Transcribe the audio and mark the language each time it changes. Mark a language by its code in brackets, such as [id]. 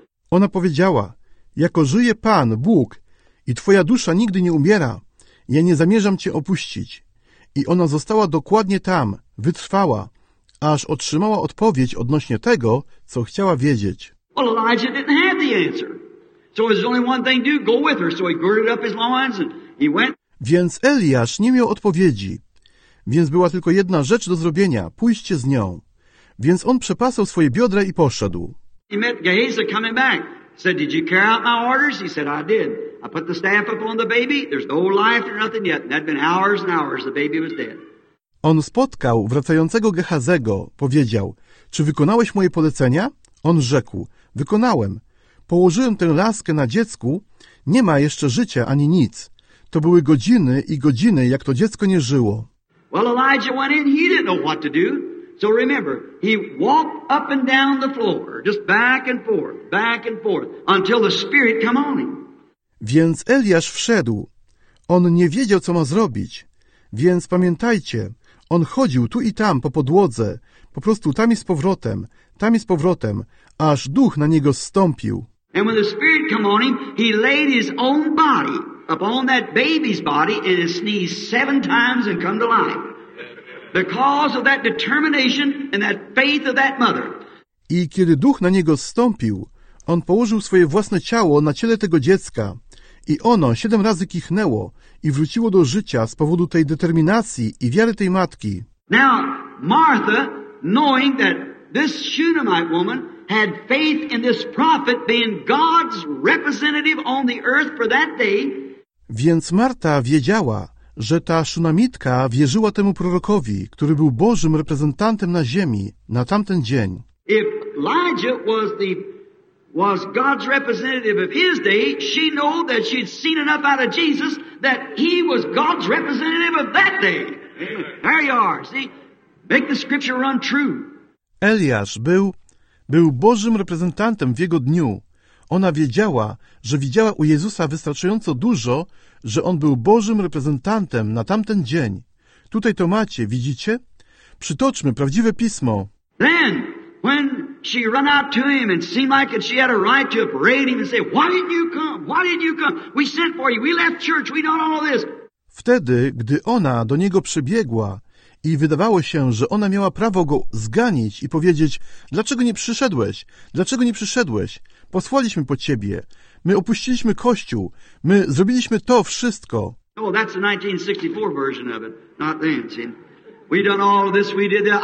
[pl] Ona powiedziała, jako żyje Pan, Bóg, i twoja dusza nigdy nie umiera. Ja nie zamierzam cię opuścić. I ona została dokładnie tam, wytrwała, aż otrzymała odpowiedź odnośnie tego, co chciała wiedzieć. [en] Well, Elijah didn't have the answer. So there's only one thing to do, go with her. So he girded up his loins and he went. [pl] Więc Eliasz nie miał odpowiedzi. Więc była tylko jedna rzecz do zrobienia, pójście z nią. Więc on przepasał swoje biodra i poszedł. [en] He met Gehazi coming back. Said, did you carry out my orders? He said, I did. I put the staff up on the baby. There's no life or nothing yet. And that'd been hours and hours. The baby was dead. [pl] On spotkał wracającego Gehazego. Powiedział, czy wykonałeś moje polecenia? On rzekł, wykonałem. położyłem tę laskę na dziecku, nie ma jeszcze życia ani nic. To były godziny i godziny, jak to dziecko nie żyło. [en] Well, Elijah went in, he didn't know what to do. So remember, he walked up and down the floor, just back and forth, until the Spirit came on him. [pl] Więc Eliasz wszedł. On nie wiedział, co ma zrobić. Więc pamiętajcie, on chodził tu i tam po podłodze, po prostu tam i z powrotem, aż Duch na niego zstąpił. [en] And when the Spirit came on him, he laid his own body upon that baby's body and sneezed 7 times and come to life. Because of that determination and that faith of that mother. [pl] I kiedy Duch na niego zstąpił, on położył swoje własne ciało na ciele tego dziecka i ono 7 razy kichnęło i wróciło do życia z powodu tej determinacji i wiary tej matki. [en] Now, Martha, knowing that this Shunammite woman had faith in this prophet being God's representative on the earth for that day. [pl] Więc Marta wiedziała, że ta Szunamitka wierzyła temu prorokowi, który był Bożym reprezentantem na ziemi na tamten dzień. [en] If Elijah was God's representative of his day, she knew that she'd seen enough out of Jesus that he was God's representative of that day. There you are, see? Make the scripture run true. [pl] Eliasz był Bożym reprezentantem w jego dniu. Ona wiedziała, że widziała u Jezusa wystarczająco dużo, że On był Bożym reprezentantem na tamten dzień. Tutaj to macie, widzicie? Przytoczmy prawdziwe pismo. [en] Then, when she ran out to him and seemed like she had a right to upbraid him and say, why didn't you come? Why didn't you come? We sent for you. We left church. We done all this. [pl] Wtedy, gdy ona do niego przybiegła i wydawało się, że ona miała prawo go zganić i powiedzieć, dlaczego nie przyszedłeś? Dlaczego nie przyszedłeś? Posłaliśmy po ciebie. My opuściliśmy kościół. My zrobiliśmy to wszystko. [en] Oh, that's the 1964 version of it. Not then, see. We done all of this, we did that.